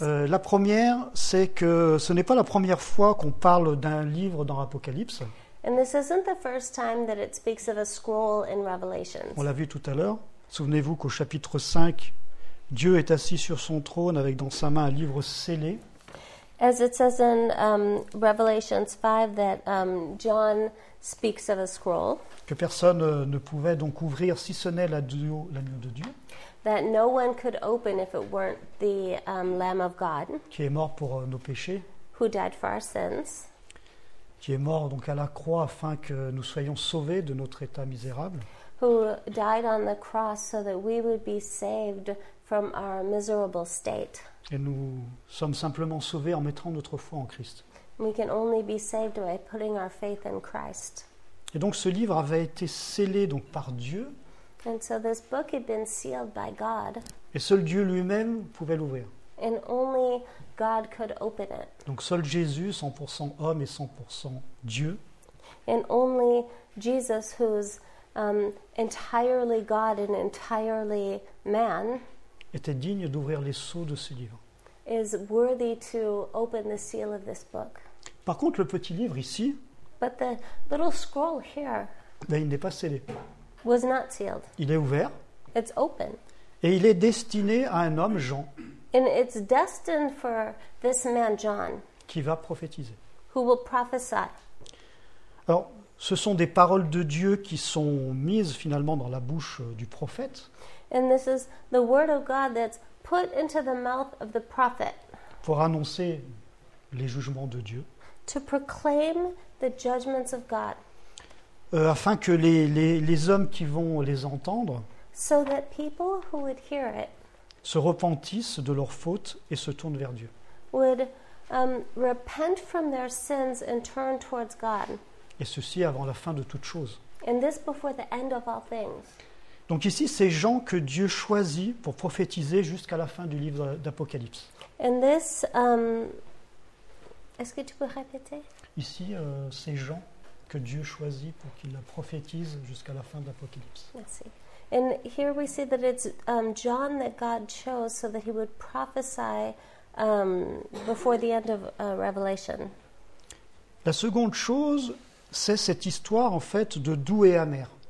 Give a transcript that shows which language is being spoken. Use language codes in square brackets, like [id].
[fr] La première, c'est que ce n'est pas la première fois qu'on parle d'un livre dans l'Apocalypse. [en] And this isn't the first time that it speaks of a scroll in Revelation. [fr] On l'a vu tout à l'heure. Souvenez-vous qu'au chapitre 5, Dieu est assis sur son trône avec dans sa main un livre scellé. [en] As it says in Revelation 5 that John speaks of a scroll. [fr] Que personne ne pouvait donc ouvrir si ce n'est l'agneau de Dieu. [en] That no one could open if it weren't the Lamb of God. [fr] Qui est mort pour nos péchés. [en] Who died for our sins. [fr] Qui est mort donc à la croix afin que nous soyons sauvés de notre état misérable. [en] Who died on the cross so that we would be saved from our miserable state. [fr] Et nous sommes simplement sauvés en mettant notre foi en Christ. [en] We can only be saved by putting our faith in Christ. [fr] Et donc ce livre avait été scellé donc par Dieu. [en] And so this book had been sealed by God. [fr] Et seul Dieu lui-même pouvait l'ouvrir. [en] And only God could open it. [fr] Donc seul Jésus, 100% homme et 100% Dieu. [en] And only Jesus, who's entirely God and entirely man, [fr] était digne d'ouvrir les sceaux de ce livre. [en] Is worthy to open the seal of this book. [fr] Par contre, le petit livre ici, [en] but the little scroll here, [fr] ben, il n'est pas scellé. [en] Was not sealed. [fr] Il est ouvert. [en] It's open. [fr] Et il est destiné à un homme, Jean. [en] And it's destined for this man, John, [fr] qui va prophétiser. [en] Who will prophesy. [fr] Alors, ce sont des paroles de Dieu qui sont mises finalement dans la bouche du prophète. [en] And this is the word of God that's put into the mouth of the prophet. [fr] Pour annoncer les jugements de Dieu. [en] To proclaim the judgments of God. [fr] Afin que les hommes qui vont les entendre. [en] So that people who would hear it. [fr] Se repentissent de leurs fautes et se tournent vers Dieu. [en] Would repent from their sins and turn towards God. [fr] Et ceci avant la fin de toutes choses. [en] And this before the end of all things. [fr] Donc ici, c'est Jean que Dieu choisit pour prophétiser jusqu'à la fin du livre d'Apocalypse. [en] And this, [fr] est-ce que tu peux répéter? Ici, c'est Jean que Dieu choisit pour qu'il la prophétise jusqu'à la fin de l'Apocalypse. Merci. [en] And here we see that it's John that God chose so that he would prophesy before the end of Revelation. [fr] La seconde chose, c'est cette histoire, en fait, de doux et amer.